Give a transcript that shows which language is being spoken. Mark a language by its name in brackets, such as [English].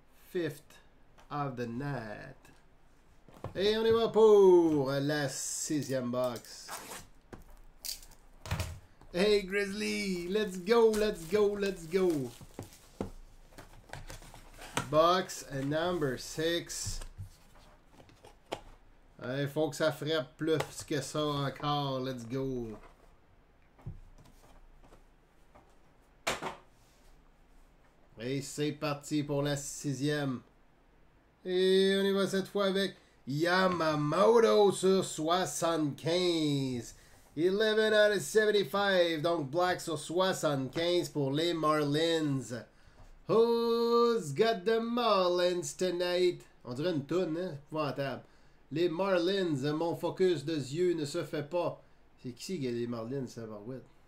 [English] Fifth of the night. [French] Et on y va pour la sixième box. [English] Hey Grizzly, let's go, let's go, let's go. Box number six. [French] Il hey, faut que ça frappe plus que ça encore. [English] Let's go. [French] Et c'est parti pour la sixième. Et on y va cette fois avec Yamamoto sur 75. [English] 11 out of 75. [French] Donc black sur 75 pour les Marlins. [English] Who's got the Marlins tonight? [French] On dirait une toune, hein? C'est épouvantable. Les Marlins, mon focus de yeux ne se fait pas. C'est qui qui a les Marlins, ça va, ouais.